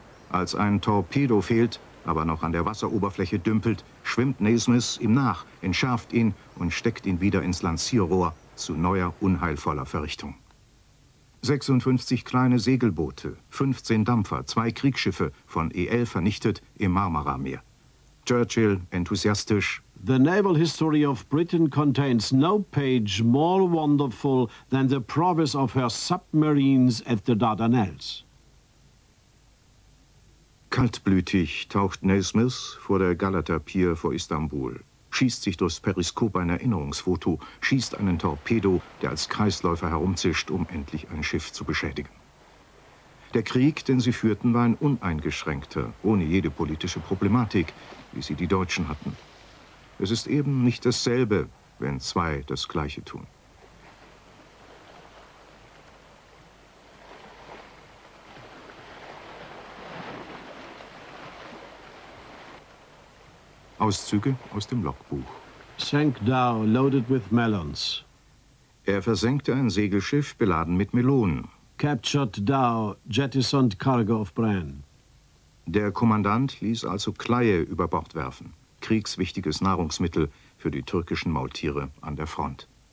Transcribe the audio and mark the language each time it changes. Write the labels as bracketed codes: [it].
[de] Als ein Torpedo fehlt, aber noch an der Wasseroberfläche dümpelt, schwimmt Naismith ihm nach, entschärft ihn und steckt ihn wieder ins Lancierrohr zu neuer, unheilvoller Verrichtung. 56 kleine Segelboote, 15 Dampfer, 2 Kriegsschiffe von EL vernichtet im Marmara-Meer. Churchill enthusiastisch. [en] The naval history of Britain contains no page more wonderful than the prowess of her submarines at the Dardanelles. [de] Kaltblütig taucht Naismith vor der Galata Pier vor Istanbul, schießt sich durchs Periskop ein Erinnerungsfoto, schießt einen Torpedo, der als Kreisläufer herumzischt, um endlich ein Schiff zu beschädigen. Der Krieg, den sie führten, war ein uneingeschränkter, ohne jede politische Problematik, wie sie die Deutschen hatten. Es ist eben nicht dasselbe, wenn zwei das Gleiche tun. Auszüge aus dem Logbuch. [en] Sank down loaded with melons. [de] Er versenkte ein Segelschiff beladen mit Melonen. [en] Captured down jettisoned cargo of bran. [de] Der Kommandant ließ also Kleie über Bord werfen. Kriegswichtiges Nahrungsmittel für die türkischen Maultiere an der Front.